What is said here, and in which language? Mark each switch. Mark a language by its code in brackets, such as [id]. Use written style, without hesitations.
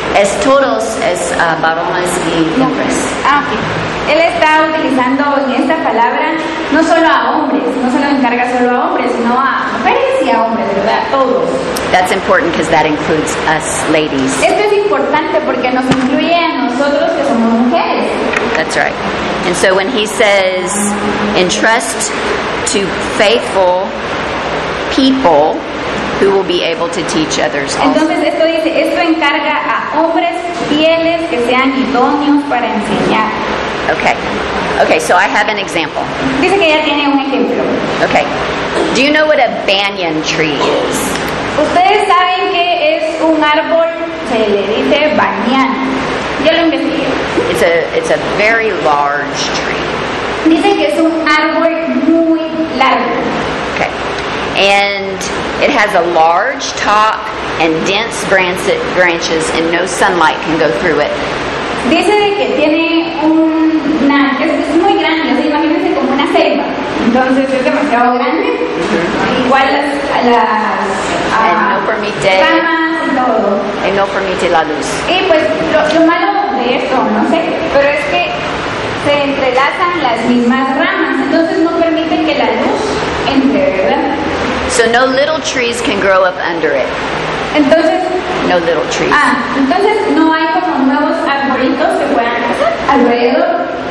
[es] Es todos, es varones y hombres. Ah, ok. Él está utilizando en esta palabra no solo a hombres, no se lo encarga solo a hombres, sino a mujeres y a hombres, ¿verdad? Todos. [en] That's important because that includes us ladies. [es] Esto es importante porque nos incluye a nosotros que somos mujeres. [en] That's right. And so when he says entrust to faithful people, who will be able to teach others also. Entonces esto dice, esto encarga a hombres fieles que sean idóneos para enseñar. Okay. Okay, so I have an example. [es] Dice que ya tiene un ejemplo. [en] Okay. Do you know what a banyan tree is? [es] Ustedes saben que es un árbol, se le dice banyan. Yo lo investigué. [en] It's a very large tree. [es] Dice que es un árbol muy largo. [en] Okay. And it has a large top and dense branches, and no sunlight can go through it. [es] Dice que tiene una, es muy grande, o sea, imagínense como una selva. Entonces es demasiado grande. Mm-hmm. Igual las ramas y todo. Y no permite la luz. Y pues lo malo de esto, no sé, pero es que se entrelazan las mismas ramas, entonces no permite que la luz entre, ¿verdad? [en] So no little trees can grow up under it. [es] Entonces, [en] no little trees. [es] Ah, entonces no hay como nuevos arbolitos que puedan crecer alrededor.